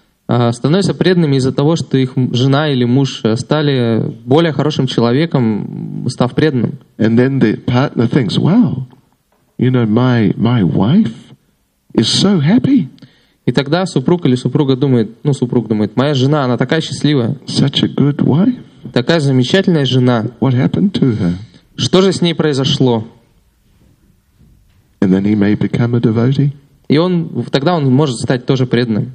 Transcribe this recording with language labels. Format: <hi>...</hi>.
<ru>Становятся преданными из-за того, что их жена или муж стали более хорошим человеком, став преданным.</ru> <en>And then the partner thinks, wow, you know, my wife is so happy.</en> <ru>И тогда супруг или супруга думает, ну, супруг думает, моя жена, она такая счастливая.</ru> <en>Such a good wife.</en> <ru>Такая замечательная жена.</ru> <en>What happened to her?</en> <ru>Что же с ней произошло?</ru> <en>And then he may become a devotee.</en> <ru>И он, тогда он может стать тоже преданным.</ru>